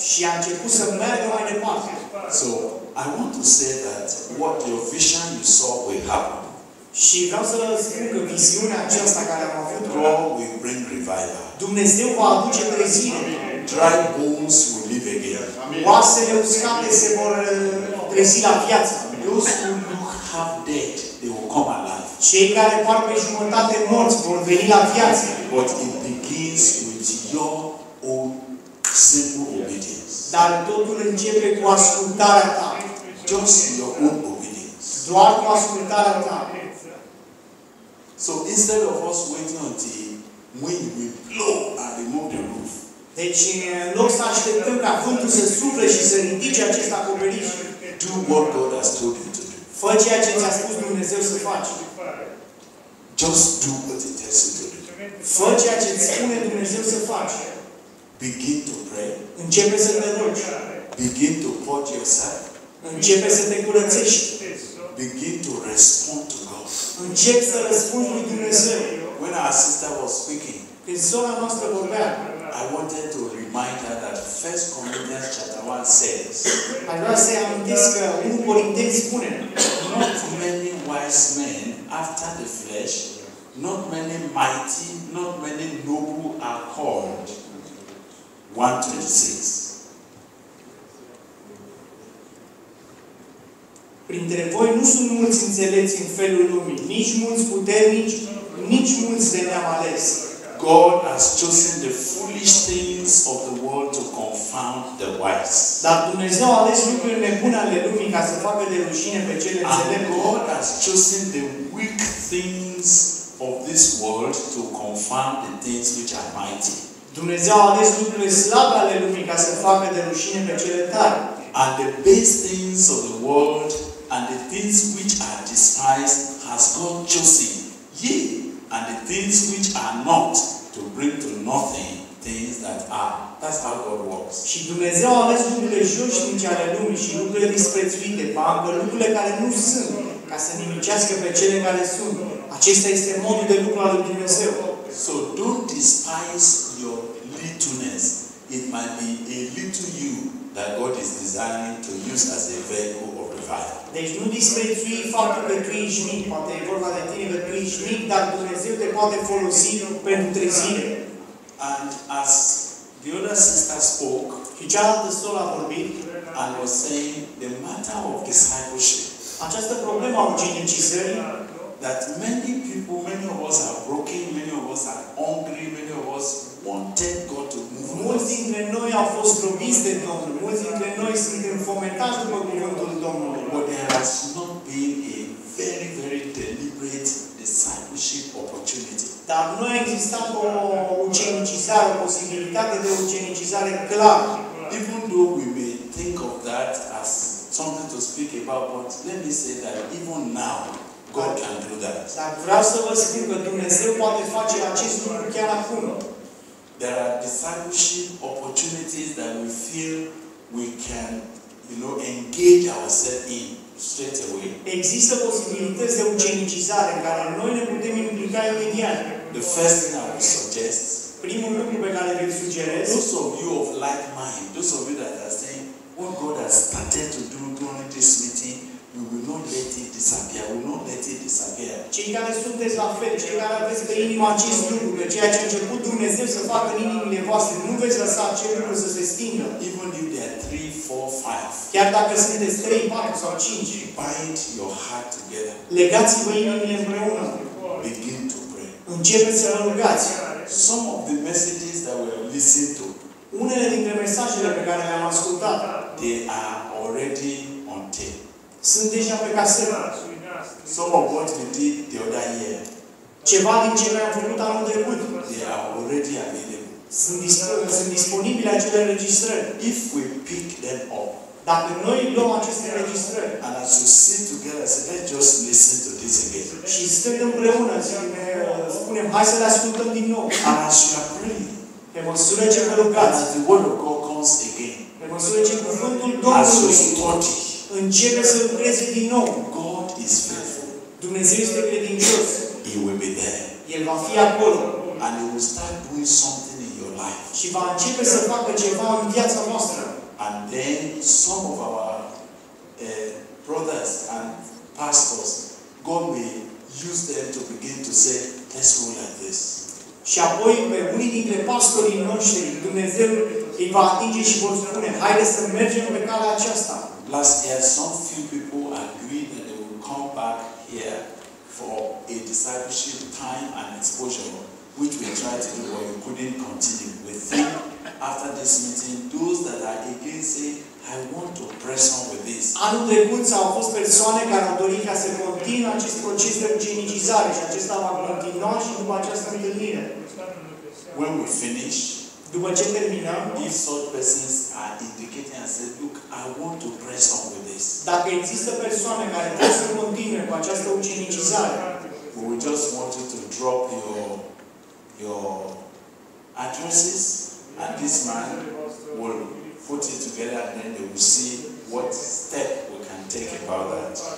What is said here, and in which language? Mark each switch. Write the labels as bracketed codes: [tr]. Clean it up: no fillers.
[ro] Și a început să meargă mai departe. [en] So, I want to say that what your vision you saw will happen. [ro] Și vreau să spun că viziunea aceasta care am avut, [en] God will bring revival. [ro] Dumnezeu va aduce trezire. [en] Dry bones will live again. [ro] Oasele uscate se vor trezi la viață. [en] Those who look half dead, they will come alive. [ro] Cei care par pe jumătate morți vor veni la viață. [en] But it begins with your own simple obedience. [ro] Dar totul începe cu ascultarea ta. [en] Just your own obedience. [ro] Doar cu ascultarea ta. [en] So instead of us waiting until wind will blow and remove the roof. [ro] Deci în loc să așteptăm ca vântul să sufle și să ridice acest acoperiș. [en] Do what God has told you to do. [ro] Fă ceea ce ți-a spus Dumnezeu să faci. [en] Just do what it tells you to do. [ro] Fă ceea ce îți spune Dumnezeu să faci. [en] Begin to pray. [ro] Începe să te rogi. [en] Begin to purge yourself. [ro] Începe să te curățești. [en] Begin to respond to God. [ro] Începe să răspunzi lui Dumnezeu. [en] When our sister was speaking, [ro] când sora noastră vorbea, [en] I wanted to remind her that 1 Corinthians chapter 1 says, [ro] I vreau să-i amintesc că 1 Corinteni spune, [en] not many wise men after the flesh, not many mighty, not many noble are called. 1:26. [ro] Printre voi nu sunt mulți înțelepți în felul lumii, nici mulți puternici, nici mulți de neam ales. [en] God has chosen the foolish things of the world to confound the wise. [ro] Dar Dumnezeu a ales lucrurile nebune ale lumii ca să facă de rușine pe cele înțelepte. [en] And God has chosen the weak things of this world to confound the things which are mighty. [ro] Dumnezeu a ales lucrurile slabe ale lumii ca să facă de rușine pe cele tari. [en] And the base things of the world and the things which are despised has God chosen, yea, and the things which are not, to bring to nothing things that are. That's how God works. [ro] Și Dumnezeu a ales lucrurile joșnice ale lumii și lucrurile disprețuite, bancă, lucrurile care nu sunt, ca să nimicească pe cele care sunt. Acesta este modul de lucru al lui Dumnezeu. [en] So don't despise your littleness. It might be a little you that God is designing to use as a vehicle of revival. [ro] Deci nu disprețui faptul că tu ești mic, poate e vorba de tine, că tu ești mic, dar Dumnezeu te poate folosi pentru trezire. [en] And as the other sister spoke, [ro] și cealaltă sora a vorbit, [en] and was saying, the matter of discipleship, [ro] această problemă a ucenicizării, [en] that many people, many of us are broken, many of us are hungry, many of us wanted God to move. [ro] Mulți dintre noi au fost robiți de Domnul, mulți dintre noi suntem fomentați după cuvântul Domnului. [en] But there has not been a very, very deliberate discipleship opportunity. [ro] Dar nu a existat o ucenicizare, o posibilitate de ucenicizare clar. [en] Even though we may think of that as something to speak about, but let me say that even now, God can do that. [ro] Dar vreau să vă spun că Dumnezeu poate face acest lucru chiar acum. [en] There are discipleship opportunities that we feel we can, you know, engage ourselves in straight away. [ro] Există posibilități de ucenicizare în care noi ne putem implica imediat. [en] The first thing I would suggest, [ro] primul lucru pe care vi-l sugerez, [en] those of you of like mind, those of you that are saying, what God has started to do during this meeting, we will not let it disappear. We will not let it disappear. [ro] Cei care sunteți la fel, cei care aveți pe inimă acest lucru, că ceea ce a început Dumnezeu să facă în inimile voastre, nu veți lăsa acel lucru să se stingă. [en] Even if there are 3, 4, 5. [ro] Chiar dacă sunteți 3, 4 sau 5. [en] Bind your heart together. [ro] Legați-vă inimile împreună. [en] Begin to pray. [ro] Începeți să vă rugați. [en] Some of the messages that we have listened to, [ro] unele dintre mesajele pe care le-am ascultat, [en] they are already on tape. [ro] Sunt deja pe casetă. [en] Some of what we did the other year. [ro] Ceva din ce noi am făcut anul trecut. [en] They are already available. [ro] Sunt disponibile acele înregistrări. [en] If we pick them up. [ro] Dacă noi luăm aceste înregistrări. [en] And as we sit together, say, let's just listen to this again. [ro] Și stând împreună, spunem, hai să le ascultăm din nou. [en] And as you are praying. [ro] Pe măsură ce vă rugați. [en] And as the word of God comes again. [ro] Pe măsură ce cuvântul Domnului. [en] As you study. [ro] Începe să lucreze din nou. [en] God is faithful. [ro] Dumnezeu este credincios. [en] He will be there. [ro] El va fi acolo. [en] And he will start doing something in your life. [ro] Și va începe să facă ceva în viața noastră. [en] And then some of our brothers and pastors, God may use them to begin to say, let's go like this. [ro] Și apoi pe unii dintre pastorii noștri, Dumnezeu îi va atinge și vor spune, haide să mergem pe calea aceasta. [en] Last year, some few people agreed that they will come back here for a discipleship time and exposure, which we tried to do, but we couldn't continue. We think after this meeting, those that are again say, I want to press on with this. [ro] Anul trecut s-au fost persoane care au dorit ca să continue acest proces de ucenicizare și acesta va continua și după această întâlnire. [en] When we finish, [ro] după ce terminăm, [en] if such persons are indicating and say, look, I want to press on with this. [ro] Dacă există persoane care vor să continue cu această ucenicizare, [en] we will just want you to drop your addresses and this man will put it together and then they will see what step we can take about that.